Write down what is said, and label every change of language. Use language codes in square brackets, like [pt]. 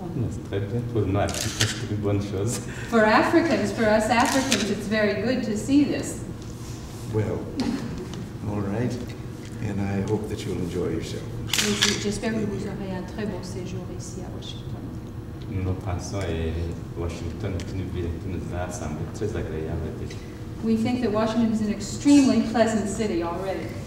[fr] C'est très bien pour nous, c'est une bonne chose. [en] For Africans, for us Africans, it's very good to see this. Well, all right, and I hope that you'll enjoy yourself. [fr] J'espère que vous aurez un très bon séjour ici à Washington. Nous pensons que Washington est une ville qui nous a semblé très agréable déjà. [en] We think that Washington is an extremely pleasant city already.